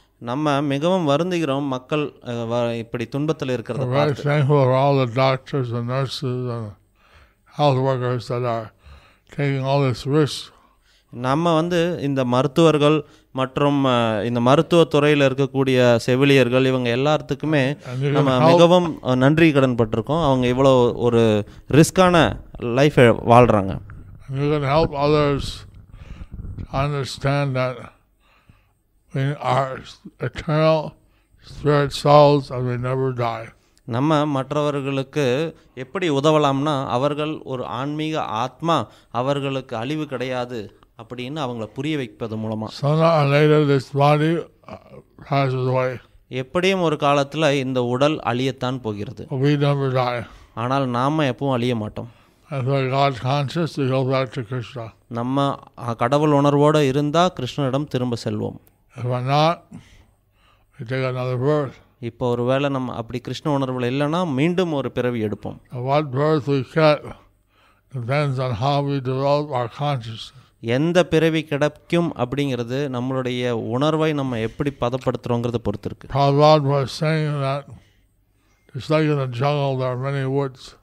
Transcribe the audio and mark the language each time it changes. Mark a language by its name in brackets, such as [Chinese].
[Tamil] நம்ம மிகவும் வருந்துகிறோம் மக்கள் இப்படி துன்பத்தில் இருக்கிறத பார்த்து. [English] Thankful for all the doctors and nurses and health workers that are taking all this risk. [Tamil] நம்ம வந்து இந்த மருத்துவர்கள் மற்றும் இந்த மருத்துவ துறையில் இருக்கக்கூடிய செவிலியர்கள் இவங்க எல்லாத்துக்குமே நம்ம மிகவும் நன்றி கடன் பட்டிருக்கோம். அவங்க இவ்வளோ ஒரு ரிஸ்கான லைஃபை வாழ்கிறாங்க. [English] You can help others understand that we are eternal spirit souls and we never die. [Tamil] நம்ம மற்றவர்களுக்கு எப்படி உதவலாம்னா அவர்கள் ஒரு ஆன்மீக ஆத்மா, அவர்களுக்கு அழிவு கிடையாது அப்படின்னு அவங்களை புரிய வைப்பது மூலமா. எப்படியும் ஒரு காலத்தில் இந்த உடல் அழியத்தான் போகிறது, ஆனால் நாம எப்பவும் அழிய மாட்டோம். [English] As a God conscious, we go back to Krishna. [Tamil] நம்ம கடவுள் உணர்வோடு இருந்தால் கிருஷ்ணனிடம் திரும்ப செல்வோம். [English] If we're not, we take another birth. [Tamil] இப்போ ஒருவேளை நம்ம அப்படி கிருஷ்ண உணர்வு இல்லைன்னா மீண்டும் ஒரு பிறவி எடுப்போம். [English] What birth we get depends on how we develop our consciousness. [Tamil] எந்த பிறவி கிடைக்கும் அப்படிங்கிறது நம்மளுடைய உணர்வை நம்ம எப்படி பதப்படுத்துறோங்கிறத பொறுத்து இருக்கு. [English] Prabhupada was saying that just like in the jungle there are many woods.